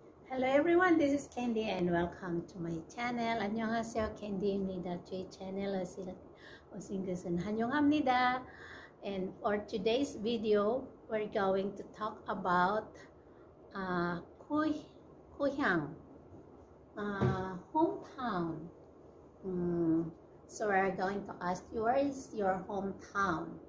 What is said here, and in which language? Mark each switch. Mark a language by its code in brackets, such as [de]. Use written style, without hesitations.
[en] Hello everyone, this is Candy and welcome to my channel. [ko] 안녕하세요, Candy입니다. 제 채널을 오신 것은 환영합니다. [en] And for today's video, we're going to talk about Gohyang, hometown. So we're going to ask you, where is your hometown?